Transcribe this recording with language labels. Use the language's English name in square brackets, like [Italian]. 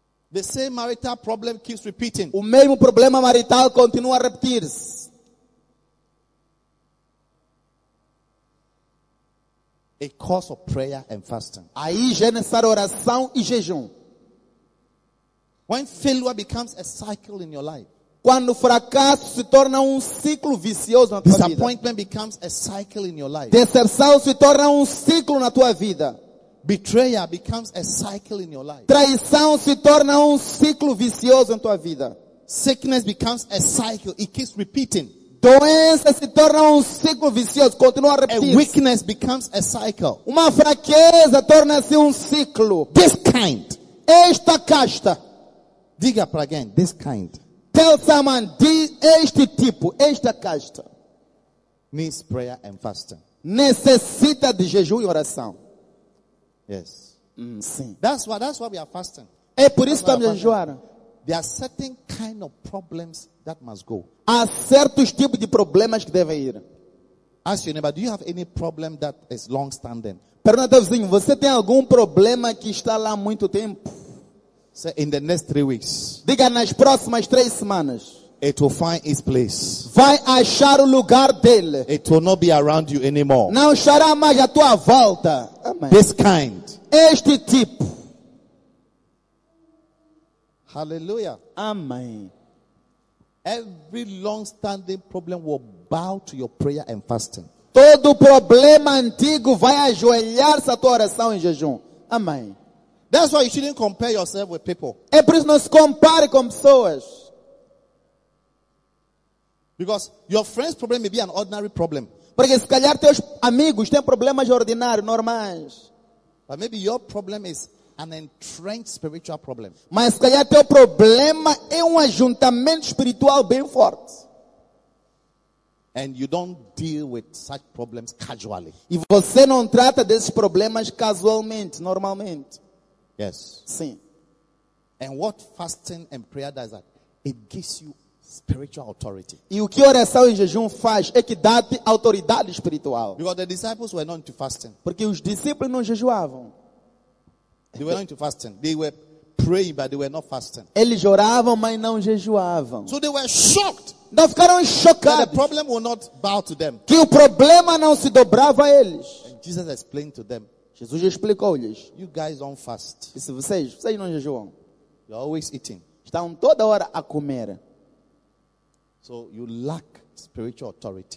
[English] The same marital problem keeps repeating. [Portuguese] O mesmo problema marital continua a repetir-se. [English] A cause of prayer and fasting. [Portuguese] Aí já é necessário oração e jejum. [English] When failure becomes a cycle in your life. [Portuguese] Quando o fracasso se torna ciclo vicioso na tua vida. [English] Disappointment becomes a cycle in your life. [Portuguese] Decepção se torna ciclo na tua vida. [English] Betrayal becomes a cycle in your life. [Portuguese] Traição se torna ciclo vicioso na tua vida. [English] Sickness becomes a cycle. It keeps repeating. [Portuguese] Doença se torna ciclo vicioso. Continua a repetir. [English] A weakness becomes a cycle. [Portuguese] Uma fraqueza torna-se ciclo. [English] This kind. [Portuguese] Esta casta. Diga para alguém. [English] This kind. Tell someone. [Portuguese] Este tipo. Esta casta. [English] Needs prayer and fasting. [Portuguese] Necessita de jejum e oração. [English] Yes. [Portuguese] Sim. [English] That's why we are fasting. [Portuguese] É por isso que estamos a jejuar. [English] There are certain kind of problems that must go. [Portuguese] Há certos tipos de problemas que devem ir. [English] Ask your neighbor, do you have any problem that is long standing? [Portuguese] Pergunta ao vizinho, você tem algum problema que está lá há muito tempo? [English] Say in the next 3 weeks. [Portuguese] Diga nas próximas 3 semanas. [English] It will find its place. [Portuguese] Vai achar o lugar dele. [English] It will not be around you anymore. [Portuguese] Não estará mais à tua volta. [English] Amen. This kind. [Portuguese] Este tipo. [English] Hallelujah. [Portuguese] Amen. [English] Every long-standing problem will bow to your prayer and fasting. [Portuguese] Todo problema antigo vai ajoelhar-se à tua oração e jejum. [English] Amen. That's why you shouldn't compare yourself with people. [Portuguese] É por isso não se compare com pessoas. [English] Because your friend's problem may be an ordinary problem. [Portuguese] Porque se calhar teus amigos têm problemas ordinários, normais. [English] But maybe your problem is an entrenched spiritual problem. [Portuguese] Mas se calhar teu problema é ajuntamento espiritual bem forte. [English] And you don't deal with such problems casually. [Portuguese] E você não trata desses problemas casualmente, normalmente. [English] Yes. [Portuguese] Sim. [English] And what fasting and prayer does that? It gives you spiritual authority. [Portuguese] E o que oração e jejum faz é que dá-te autoridade espiritual. [English] Because the disciples were not into fasting. [Portuguese] Porque os discípulos não jejuavam. [English] They were not into fasting. They were praying, but they were not fasting. [Portuguese] Eles oravam, mas não jejuavam. [English] So they were shocked. [Portuguese] Então ficaram chocados. [English] That the problem will not bow to them. [Portuguese] Que o problema não se dobrava a eles. [English] And Jesus explained to them. [Portuguese] Jesus explicou-lhes. [English] You guys don't fast. [Portuguese] Disse, vocês não jejuam. [English] You're always eating. [Portuguese] Estão toda hora a comer. [English] So you lack spiritual authority.